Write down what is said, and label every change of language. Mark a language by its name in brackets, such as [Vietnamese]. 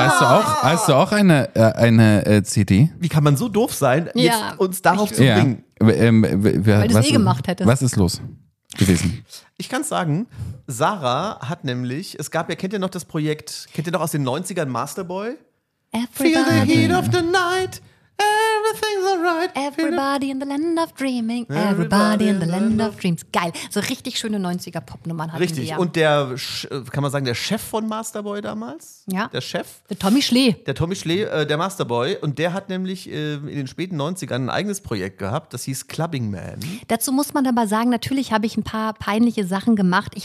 [German] Hast du auch eine CD? Wie kann man so doof sein, jetzt uns darauf zu bringen? Gemacht hättest. Was ist los gewesen? Ich kann es sagen, Sarah hat nämlich, es gab ja, kennt ihr noch das Projekt, kennt ihr noch aus den 90ern Masterboy? [English] Everybody. Feel the heat of the night, everything's alright. Everybody in the land of dreaming, everybody in the land of dreams. [German] Geil, so richtig schöne 90er-Pop-Nummern hatten richtig. Wir. Richtig, und der, kann man sagen, der Chef von Masterboy damals? Ja. Der Chef? Der Tommy Schlee. Der Tommy Schlee, der Masterboy. Und der hat nämlich in den späten 90ern ein eigenes Projekt gehabt, das hieß Clubbing Man. Dazu muss man aber sagen, natürlich habe ich ein paar peinliche Sachen gemacht.